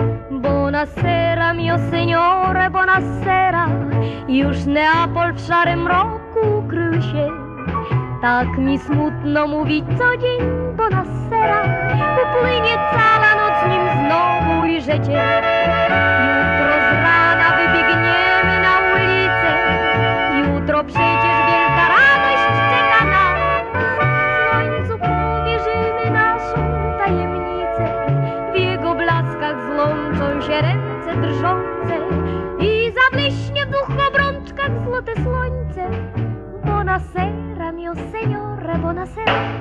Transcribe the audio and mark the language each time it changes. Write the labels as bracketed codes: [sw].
[it] Buonasera, mio signore, buonasera. [pl] Już Neapol w szarym roku krył się. Tak mi smutno mówić co dzień, buonasera. Upłynie cała noc, nim znowu ujrzecie. Jutro z rana wybiegniemy na ulicę. Jutro przecież wielka radość czeka nas. W słońcu powierzymy naszą tajemnicę. W jego blaskach złączą się ręce drżące. I zabliśnie w dwóch obrączkach złote słońce. [it] Buonasera, mio signore, buonasera.